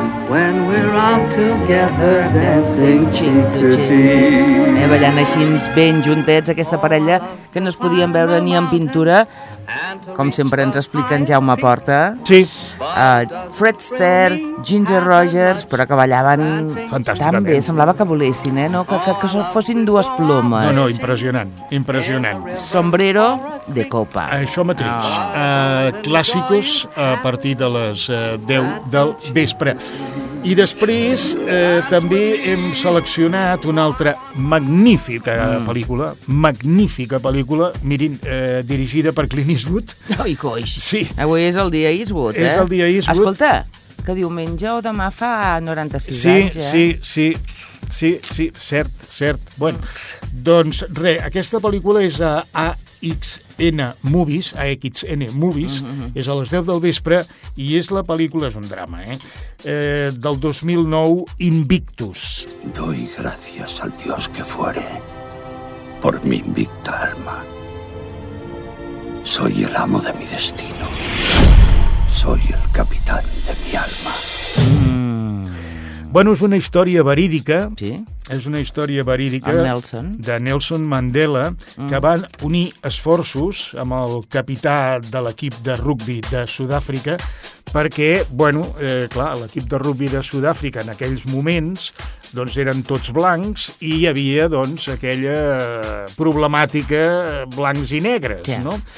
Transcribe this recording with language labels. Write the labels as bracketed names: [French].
[English] When we're out together dancing chin to chin. [Catalan] Ballant així ben juntets, aquesta parella que no es podien veure ni en pintura, com sempre ens explica en Jaume Porta. Sí. Fred Astaire, Ginger Rogers, però que ballaven fantàsticament. Tan bé, semblava que volessin, no? Que fossin dues plomes. No, impressionant, impressionant. [Spanish] Sombrero de copa. [Catalan] Això mateix. Clàssicos a partir de les 10 del vespre. I després també hem seleccionat una altra magnífica pel·lícula, magnífica pel·lícula, mirin, dirigida per Clint Eastwood. Ai, coix. Sí. Avui és el dia Eastwood, És el dia Eastwood. Escolta, que diumenge o demà fa 96 anys, Sí, cert. Bueno, doncs res, aquesta pel·lícula és a AXN Movies, és a les 10 del vespre i és la pel·lícula, és un drama, del 2009, Invictus. [Spanish] Doy gracias al Dios que fuere por mi invicta alma. Soy el amo de mi destino. Soy el capitán de mi alma. [Catalan] Bueno, és una història verídica. Sí? És una història verídica Nelson. De Nelson Mandela, que van unir esforços amb el capità de l'equip de rugbi de Sud-àfrica perquè, bueno, clar, l'equip de rugbi de Sud-àfrica en aquells moments doncs eren tots blancs i hi havia doncs aquella problemàtica blancs i negres, no?